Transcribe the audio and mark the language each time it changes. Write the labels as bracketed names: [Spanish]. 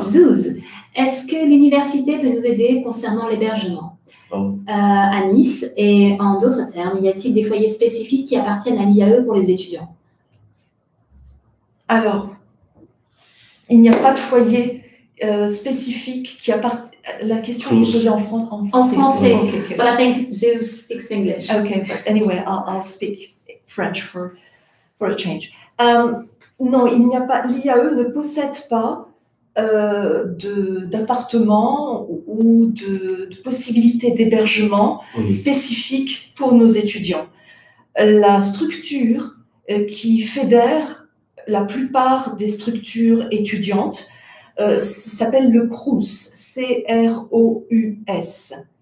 [French] Zeus, est-ce que l'université peut nous aider concernant l'hébergement à Nice? Et en d'autres termes, y a-t-il des foyers spécifiques qui appartiennent à l'IAE pour les étudiants? Alors, il n'y a pas de foyer spécifique qui appartient. La question est posée en français. En français. [English] Okay. But I think Zeus speaks English. Okay, but anyway, I'll speak French for a change. [French] Non, il n'y a pas, l'IAE ne possède pas d'appartement ou de possibilités d'hébergement spécifiques pour nos étudiants. La structure qui fédère la plupart des structures étudiantes s'appelle le CROUS, C-R-O-U-S.